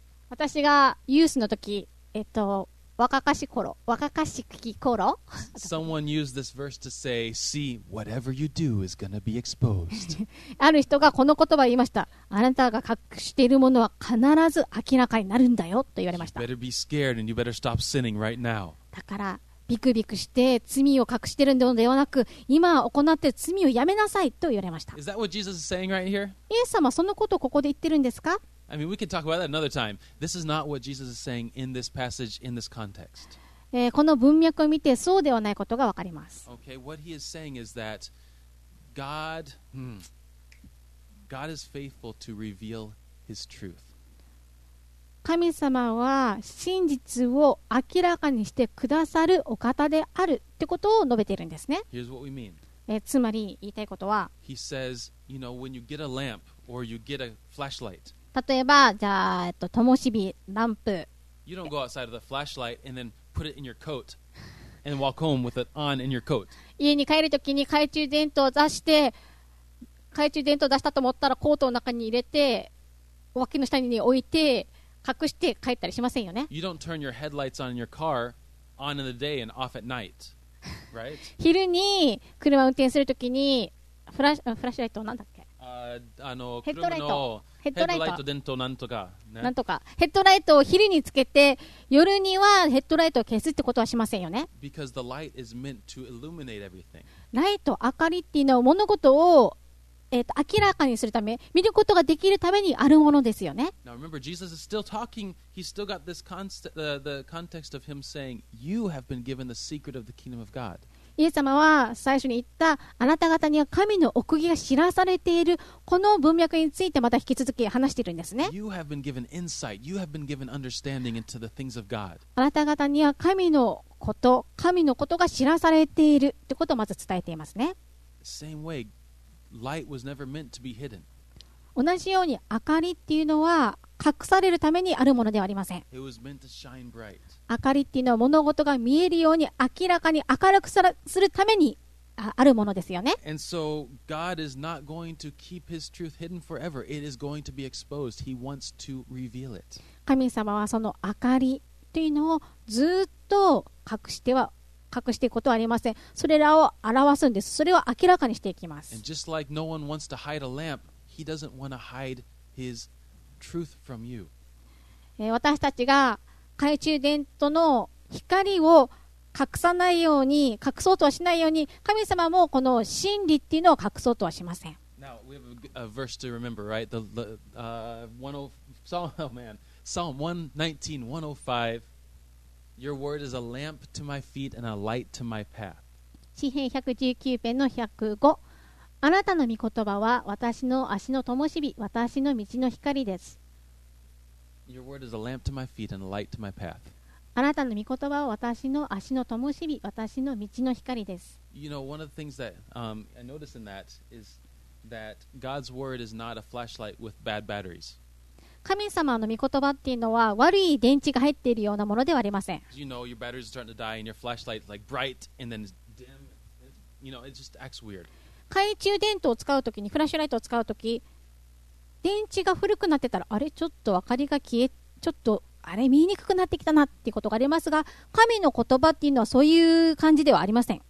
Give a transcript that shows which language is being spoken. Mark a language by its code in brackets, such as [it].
[ja] 私がユースの時、若かしき頃 [en] Someone used this verse to say, See, whatever you do is gonna be exposed. [ja] ある人がこの言葉を言いました。あなたが隠しているものは必ず明らかになるんだよと言われました。 [en] You better be scared and you better stop sinning right now. [ja] だからビクビクして罪を隠しているのではなく今行っている罪をやめなさいと言われました。 [en] Is that what Jesus is saying right here? [ja] イエス様はそのことをここで言ってるんですか? [en] I mean, we can talk about that another time. This is not what Jesus is saying in this passage, in this context. [ja] この文脈を見てそうではないことがわかります。 [en] Okay, what he is saying is that God... God is faithful to reveal His truth. [ja] 神様は真実を明らかにしてくださるお方であるってことを述べているんですね。 [en] Here's what we mean. [ja] つまり言いたいことは、 [en] He says, you know, when you get a lamp or you get a flashlight. [ja] 例えばじゃあ灯火、ランプ。 [en] You don't go outside of the flashlight and then put it in your coat and walk home with it on in your coat. [ja] 家に帰るときに懐中電灯を出して。懐中電灯出したと思ったらコートの中に入れて脇の下に置いて隠して帰ったりしませんよね。 [en] You don't turn your headlights on in your car on in the day and off at night, right? [ja] 昼に車を運転するときにフラッシュライトなんだっけ？ヘッドライト。ヘッドライト電灯なんとか、ね。なんとか。ヘッドライトを昼につけて夜にはヘッドライトを消すってことはしませんよね。 [en] Because the light is meant to illuminate everything. [ja] ライト、明かりっていうのは物事を明らかにするため、見ることができるためにあるものですよね。 [en] Now remember, Jesus is still talking. He's still got this context of him saying, "You have been given the secret of the kingdom of God." [ja] イエス様は最初に言った、あなた方には神の奥義が知らされているこの文脈についてまた引き続き話しているんですね。 [en] You have been given insight. You have been given understanding into the things of God. [ja] あなた方には神のことが知らされているということをまず伝えていますね。 [en] Same way. Light was never meant to be hidden. [ja] 同じように明かりっていうのは隠されるためにあるものではありません。 [en] It was meant to shine bright. [ja] 明かりっていうのは物事が見えるように明らかに明るくするためにあるものですよね。 [en] And so God is not going to keep His truth hidden forever. It is going to be exposed. He wants to reveal it. [ja] 神様はその明かりっていうのをずっと隠していくことはありません。それらを表すんです。それを明らかにしていきます。 [en] And just like no one wants to hide a lamp, he doesn't want to hide his truth from you. [ja] 私たちが懐中電灯の光を隠さないように、隠そうとはしないように、神様もこの真理っていうのを隠そうとはしません。 [en] Now we have a verse to remember, right? Psalm 119:105. Your word is a lamp to my feet and a light to my path. [ja] 詩篇119篇の105。あなたの御言葉は私の足の灯火、私の道の光です。 [en] Your word is a lamp to my feet and a light to my path. [ja] あなたの御言葉は私の足の灯火、私の道の光です。 [en] You know, one of the things that I notice in that is that God's word is not a flashlight with bad batteries. [ja] 神様の御言葉っていうのは悪い電池が入っているようなものではありません。 [en] You know, your battery is starting to die and your flashlight is like bright and then dim. You know, it just acts weird. [ja] 懐中電灯を使うときに、フラッシュライトを使うとき、電池が古くなってたら、あれちょっと明かりが消え、ちょっとあれ見えにくくなってきたなっていうことがありますが、神の言葉っていうのはそういう感じではありません。